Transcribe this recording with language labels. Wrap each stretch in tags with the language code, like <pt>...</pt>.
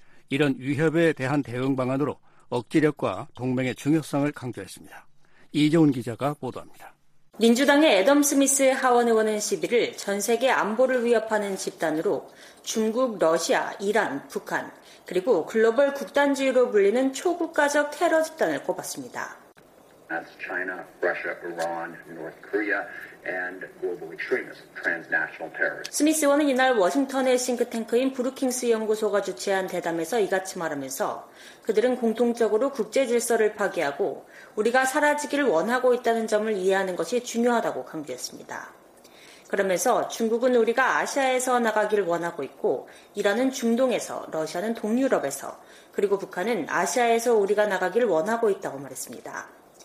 <ko>이런 위협에 대한 대응 방안으로 억지력과 동맹의 중요성을 강조했습니다. 이재훈 기자가 보도합니다. 민주당의 애덤 스미스 하원 의원은 11일 전 세계 안보를 위협하는 집단으로 중국, 러시아, 이란, 북한, 그리고 글로벌 극단주의로 불리는 초국가적 테러 집단을 꼽았습니다.</ko> <en>That's China, Russia, Iran, North Korea, and global extremists, transnational terrorists.</en> <ko>스미스 의원은 이날 워싱턴의 싱크탱크인 브루킹스 연구소가 주최한 대담에서 이같이 말하면서 그들은 공통적으로 국제 질서를 파괴하고 우리가 사라지기를 원하고 있다는 점을 이해하는 것이 중요하다고 강조했습니다. 그러면서 중국은 우리가 아시아에서 나가기를 원하고 있고 이란은 중동에서, 러시아는 동유럽에서, 그리고 북한은 아시아에서 우리가 나가기를 원하고 있다고 말했습니다.</ko>